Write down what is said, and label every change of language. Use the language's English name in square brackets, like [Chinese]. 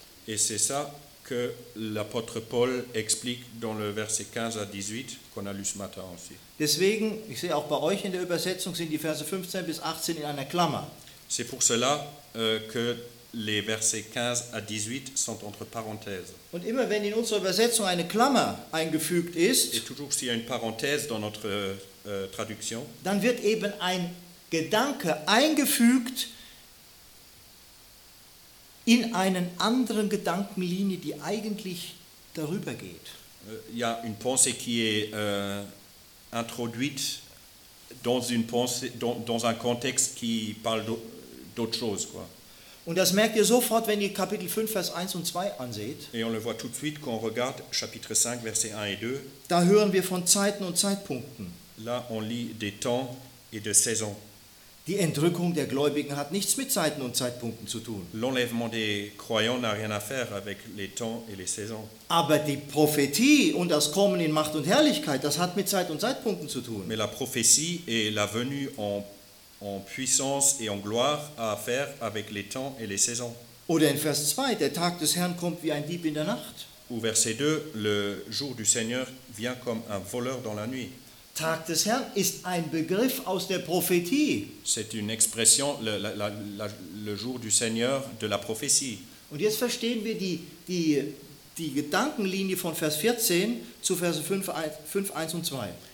[French] Et c'est ça que l'apôtre Paul explique dans le verset 15 à 18 qu'on a lu ce matin aussi. [German] Deswegen, ich sehe auch bei euch in der Übersetzung sind die Verse 15 bis 18 in einer Klammer. [French] C'est pour cela que les versets 15 à 18 sont entre parenthèses. [German] Und immer wenn in unserer Übersetzung eine Klammer eingefügt ist, [French] et toujours s'il y a une parenthèse dans notre traduction, [German] dann wird eben ein Gedanke eingefügt in einen anderen Gedankenlinie, die eigentlich darüber geht. [French] Ja, une pensée qui est introduite dans une pensée dans un contexte qui parle d'autre chose, quoi. [German] Und das merkt ihr sofort, wenn ihr Kapitel 5 Vers 1 und 2 anseht. [French] Et on le voit tout de suite quand on regarde chapitre 5 verset 1 et 2. [German] Da hören wir von Zeiten und Zeitpunkten. [French] Là, on lit des temps et de saisons. [German] Die Entrückung der Gläubigen hat nichts mit Zeiten und Zeitpunkten zu tun. [French] L'enlèvement des croyants n'a rien à faire avec les temps et les saisons. [German] Aber die Prophetie und das Kommen in Macht und Herrlichkeit, das hat mit Zeit und Zeitpunkten zu tun. [French] Mais la prophétie et la venue en puissance et en gloire a à faire avec les temps et les saisons. [German] Oder in Vers 2, der Tag des Herrn kommt wie ein Dieb in der Nacht. [French] Ou verset 2, le jour du Seigneur vient comme un voleur dans la nuit. [German] Tag des Herrn ist ein Begriff aus der Prophetie. [French] C'est une expression le jour du Seigneur de la prophétie. [German] Und jetzt verstehen wir die Gedankenlinie von Vers 14 zu Vers 5, 1 und 2.